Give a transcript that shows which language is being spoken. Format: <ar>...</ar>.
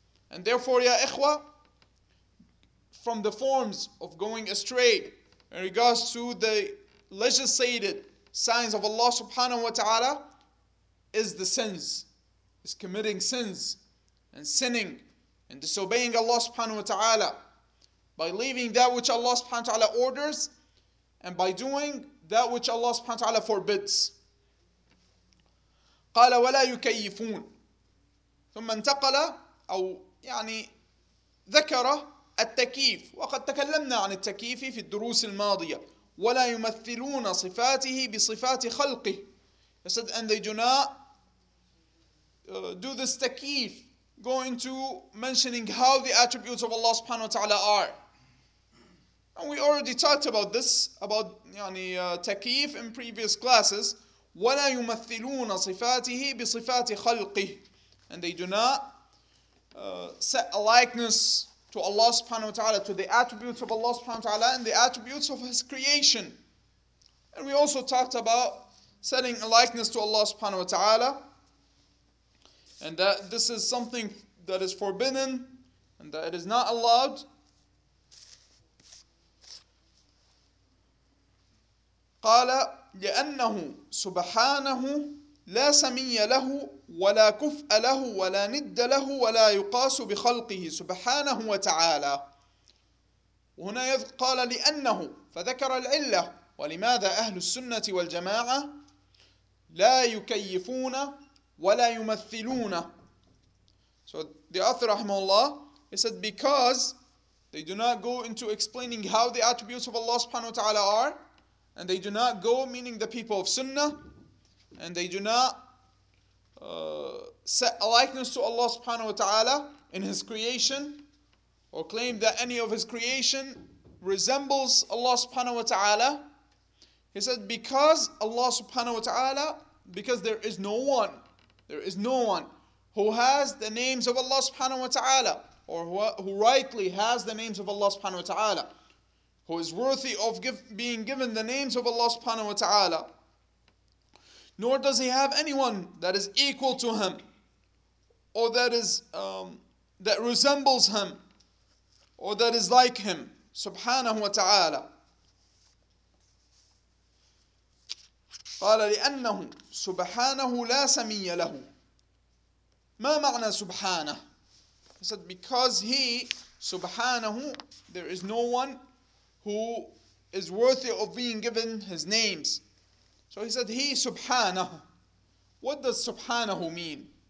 <en>And therefore,</en> <ar>ya ikhwa,</ar> <en>from the forms of going astray in regards to the legislated signs of Allah subhanahu wa ta'ala is the sins, is committing sins and sinning and disobeying Allah subhanahu wa ta'ala by leaving that which Allah subhanahu wa ta'ala orders and by doing that which Allah subhanahu wa ta'ala forbids.</en> <ar>قال ولا يكيفون ثم انتقل أو يعني ذكر التكييف، وقد تكلمنا عن التكييف في الدروس الماضية. ولا يمثلون صفاته بصفات خلقه.</ar> <en>He said, and they do not do this takif, going to mentioning how the attributes of Allah subhanahu wa ta'ala are. And we already talked about this, about takif in previous classes.</en> <ar>ولا يمثلون صفاته بصفات خلقه.</ar> <en>And they do not set a likeness to Allah subhanahu wa ta'ala, to the attributes of Allah subhanahu wa ta'ala and the attributes of His creation. And we also talked about setting a likeness to Allah subhanahu wa ta'ala, and that this is something that is forbidden and that it is not allowed.</en> <ar>قال لأنه سبحانه لا سمي له ولا كفء له ولا ند له ولا يقاس بخلقه سبحانه وتعالى. وهنا قال لأنه، فذكر العلة ولماذا أهل السنة والجماعة لا يكيفون ولا يمثلون.</ar> <en>So the author رحمه الله, he said because they do not go into explaining how the attributes of Allah subhanahu wa ta'ala are, and they do not go, meaning the people of Sunnah, and they do not set a likeness to Allah subhanahu wa ta'ala in His creation, or claim that any of His creation resembles Allah subhanahu wa ta'ala. He said, because Allah subhanahu wa ta'ala, because there is no one, there is no one who has the names of Allah subhanahu wa ta'ala, or who rightly has the names of Allah subhanahu wa ta'ala, who is worthy of being given the names of Allah subhanahu wa ta'ala, nor does he have anyone that is equal to him, or that is that resembles him, or that is like him, subhanahu wa ta'ala.</en> <ar>قال لأنه سبحانه لا سمي له. ما معنى سبحانه؟</ar> <en>He said because he Subhanahu, there is no one who is worthy of being given his names. So he said, he Subhanah. What does Subhanahu mean?</en>